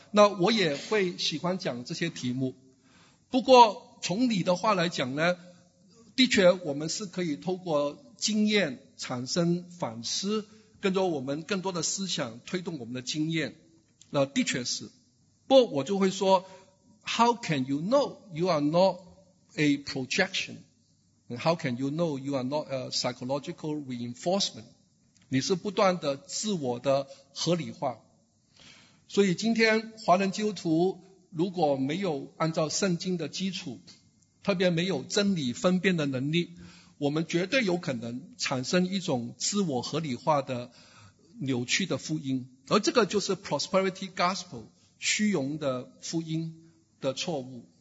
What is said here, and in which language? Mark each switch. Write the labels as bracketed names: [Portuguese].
[Chinese] 那我也会喜欢讲这些题目，不过从你的话来讲呢，的确我们是可以透过经验产生反思，跟着我们更多的思想推动我们的经验，那的确是。不过我就会说 [English] How can you know you are not a projection? How can you know you are not a psychological reinforcement? [Chinese] 你是不断的自我的合理化。所以今天华人基督徒如果没有按照圣经的基础，特别没有真理分辨的能力，我们绝对有可能产生一种自我合理化的扭曲的福音，而这个就是 prosperity gospel 虚荣的福音的错误。